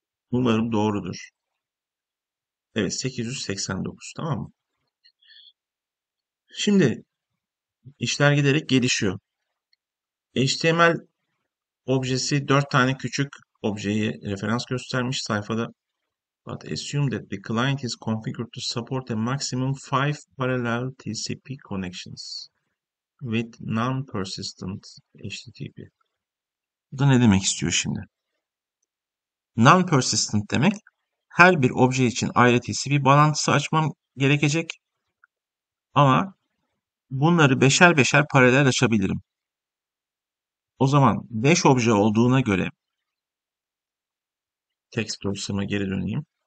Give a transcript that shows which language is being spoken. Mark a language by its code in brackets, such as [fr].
[tr] Umarım doğrudur. Evet, 889, tamam mı? Şimdi işler giderek gelişiyor. HTML objesi 4 tane küçük objeyi referans göstermiş sayfada. [en] But assume that the client is configured to support a maximum 5 parallel TCP connections with non-persistent HTTP. [tr] Bu da ne demek istiyor şimdi? Non-persistent demek her bir obje için ayrı TCP bağlantısı açmam gerekecek. Ama bunları beşer beşer paralel açabilirim. O zaman 5 obje olduğuna göre text processor'a geri döneyim.